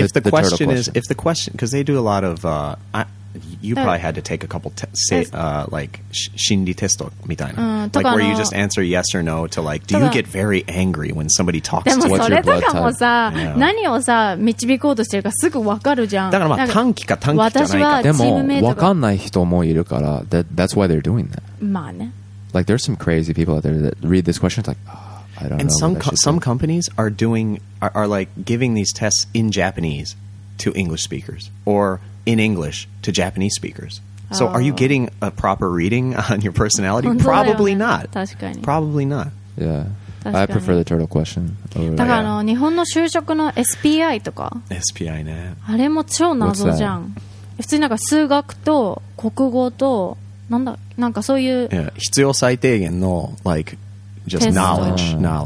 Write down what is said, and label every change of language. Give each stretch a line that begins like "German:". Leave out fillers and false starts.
English: if the question is, if the question, because they do a lot of, you probably had to take a couple, like,
Japanese: 心理テストみたいな。
English: Like where you just answer yes or no to like, do you get very angry when somebody talks to you?
Japanese: でもそれとかもさ、
English: yeah.
Japanese: 何をさ、導こうとしてるかすぐ分かるじゃん。だからまあ短期か短期じゃないか。でも分かんない人もいるから、
English: that's why they're doing that.
Japanese: まあね。
English: Like there's some crazy people out there that read this question, it's like, oh, I don't and know. Some companies are doing, are like giving these tests in Japanese to English speakers or in English to Japanese speakers. So are you getting a proper reading on your personality? Probably not. Probably not. Yeah. I prefer the turtle question.
Japanese: だからあの、日本の就職の SPI とか。 SPI ね。あれも超謎じゃん。普通になんか数学と国語と、なんだ、なんかそういう。必要最低限の、
English: like, just knowledge.